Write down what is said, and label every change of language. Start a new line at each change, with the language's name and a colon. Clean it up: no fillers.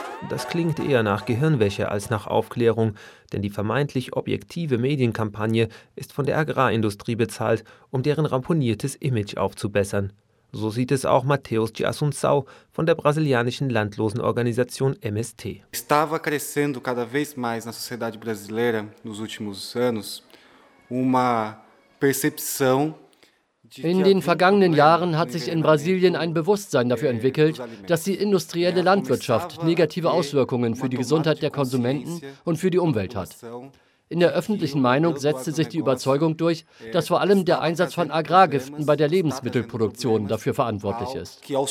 German: Das klingt eher nach Gehirnwäsche als nach Aufklärung, denn die vermeintlich objektive Medienkampagne ist von der Agrarindustrie bezahlt, um deren ramponiertes Image aufzubessern. So sieht es auch Matheus de Assunção von der brasilianischen Landlosenorganisation MST.
Portuguese: Estava crescendo cada vez mais na sociedade brasileira nos últimos anos uma percepção.
German: In den vergangenen Jahren hat sich in Brasilien ein Bewusstsein dafür entwickelt, dass die industrielle Landwirtschaft negative Auswirkungen für die Gesundheit der Konsumenten und für die Umwelt hat. In der öffentlichen Meinung setzte sich die Überzeugung durch, dass vor allem der Einsatz von Agrargiften bei der Lebensmittelproduktion dafür verantwortlich ist.